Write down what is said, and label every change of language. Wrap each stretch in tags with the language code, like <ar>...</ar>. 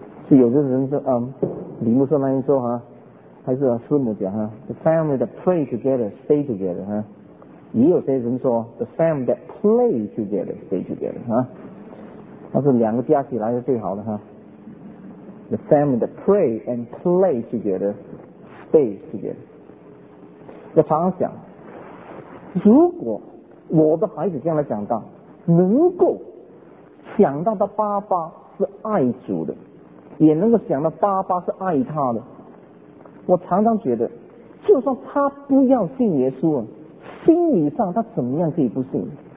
<zh>就有的人说，李牧师那边说哈，还是师母讲哈 ，</zh> <en>the family that pray together stay together</en> <zh>哈，也有些人说</zh> <en>the family that play together stay together</en> <zh>哈，那是两个加起来是最好的哈。</zh> <en>The family that pray and play together, stay together.</en> <zh>我常常想，如果我的孩子将来长大，能够想到他爸爸是爱主的，也能够想到爸爸是爱他的，我常常觉得，就算他不要信耶稣，心理上他怎么样可以不信？</zh>